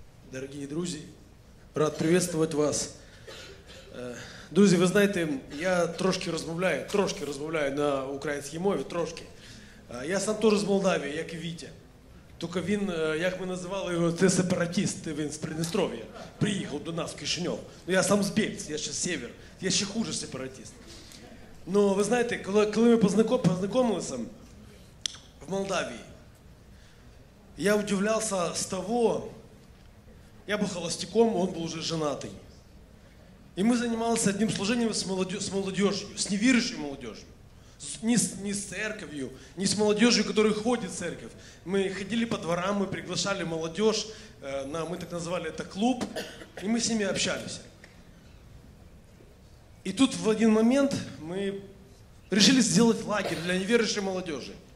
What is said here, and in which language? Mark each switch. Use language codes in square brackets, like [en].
[ru] Дорогие друзья, рад приветствовать вас. Друзья, вы знаете, я [uk] трошки размовляю [ru] на украинской мове, трошки. Я сам тоже из Молдавии, как и Витя. [uk] Только він, як ми називали його, це сепаратист, він з Придністров'я, приїхав до нас в Кишиньов. Ну, я сам з Бельц, я ще з Сєвєр, я ще хуже сепаратист. Ну, ви знаєте, коли ми познайомилися в Молдавії, я удивлявся з того, я був холостяком, він був вже женатий. І ми займалися одним служенням з молодежью, з невіруючою молодежью. [ru] Не с церковью, не с молодежью, которая ходит в церковь. Мы ходили по дворам, мы приглашали молодежь, мы так называли это клуб, и мы с ними общались. И тут в один момент мы решили сделать лагерь для неверующей молодежи.